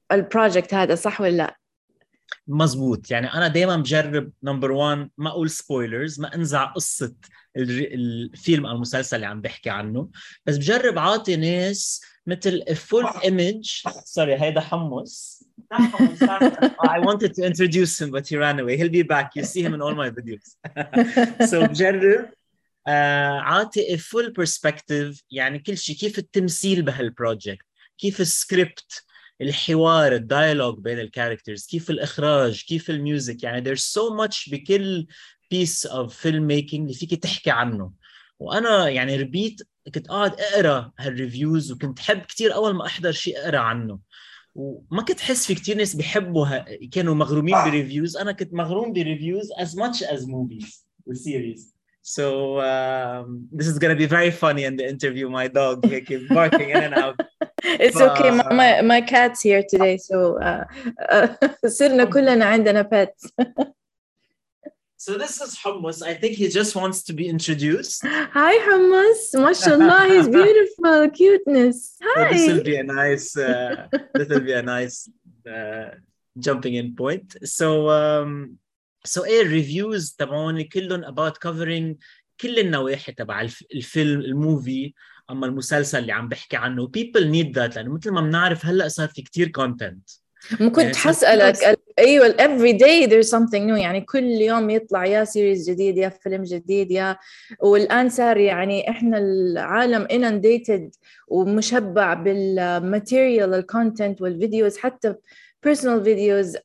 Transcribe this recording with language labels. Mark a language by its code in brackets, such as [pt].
[ar] البروجكت هذا صح ولا لا؟ مزبوط. يعني أنا دايما بجرب [en] number one [ar] ما أقول [en] spoilers, [ar] ما أنزع قصة الفيلم أو المسلسل اللي عم بحكي عنه، بس بجرب عاطي ناس مثل [en] Full image. [ar] سوري هيدا حمص. [en] I wanted to introduce him but he ran away. He'll be back. You see him in all my videos. [ar] So بجرب عاطي [en] full perspective, [ar] يعني كل شيء، كيف التمثيل بهالبروجكت، كيف السكريبت، الحوار، الديالوج بين الكاركترز، كيف الإخراج، كيف الميوزك. يعني [en] there's so much [ar] بكل [en] piece of filmmaking [ar] اللي فيك تحكي عنه. وأنا يعني ربيت كنت قاعد أقرأ هالريفيوز، وكنت حب كتير أول ما أحضر شيء أقرأ عنه، وما كنت حس في كتير ناس بيحبوا كانوا مغرومين بريفيوز. أنا كنت مغروم بريفيوز [en] as much as movies or series. So this is gonna be very funny in the interview. My dog he's barking in and out. It's okay. My cat's here today, so [ar] صرنا كلنا عندنا [en] pets. So this is Hummus. I think he just wants to be introduced. Hi, Hummus. Mashallah, he's beautiful, cuteness. Hi. So this will be a nice. This will be a nice jumping in point. So so reviews [ar] تبعوني كلهم [en] about covering [ar] كل النواحي تبع الفيلم الموفي. أما المسلسل اللي عم بحكي عنه [en] people need that، [ar] لأنه مثل ما بنعرف هلأ صار في كتير content. ممكن حسألك أيوة [en] every day there's something new، [ar] يعني كل يوم يطلع يا سيريز جديد يا فيلم جديد يا، والآن صار يعني إحنا العالم [en] inundated [ar] ومشبع بالmaterial content والفيديوز، حتى [en] personal videos.